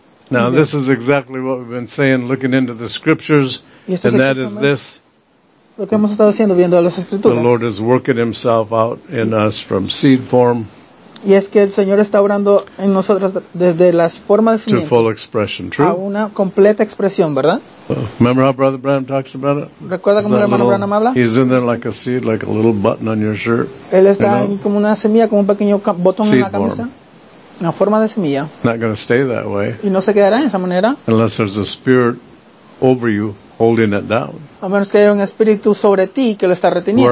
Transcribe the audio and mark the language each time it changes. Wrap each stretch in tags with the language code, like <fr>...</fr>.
<en>Now, this is exactly what we've been saying, looking into the scriptures, and that is this.</en> <es>Lo que hemos estado haciendo, viendo las escrituras.</es> <en>The Lord is working himself out in us from seed form.</en> <es>Y es que el Señor está obrando en nosotros desde las formas de simiente.</es> <en>To full expression. True.</en> <es>A una completa expresión, ¿verdad?</es> <en>Remember how Brother Branham talks about it?</en> <es>¿Recuerda cómo el hermano Branham habla?</es> <en>He's in there like a seed, like a little button on your shirt.</en> <es>Él está ahí como una semilla, como un pequeño botón</es> <en>seed</en> <es>en la camisa.</es> <en>Form.</en> <es>Una forma de semilla.</es> <en>Not going to stay that way.</en> <es>Y no se quedará en esa manera.</es> <en>Unless there's a spirit over you holding it down.</en> <es>A menos que haya un espíritu sobre ti que lo está reteniendo.</es>